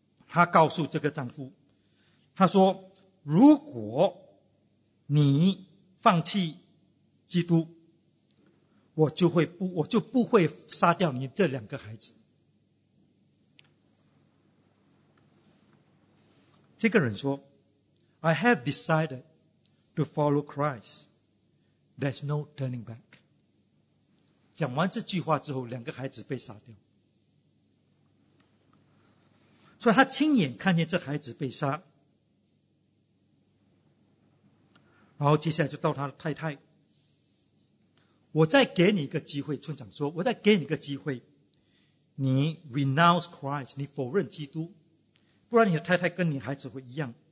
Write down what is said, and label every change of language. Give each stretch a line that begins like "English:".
Chinese: 他告诉这个丈夫，他说如果你放弃基督，我就不会杀掉你这两个孩子。这个人说
English: I have decided to follow Christ. There's no turning back.
Chinese: 讲完这句话之后，两个孩子被杀掉。所以他亲眼看见这孩子被杀，然后接下来就到他的太太，我再给你一个机会，村长说，我再给你一个机会，你
English: renounce Christ，
Chinese: 你否认基督，不然你的太太跟你孩子会一样。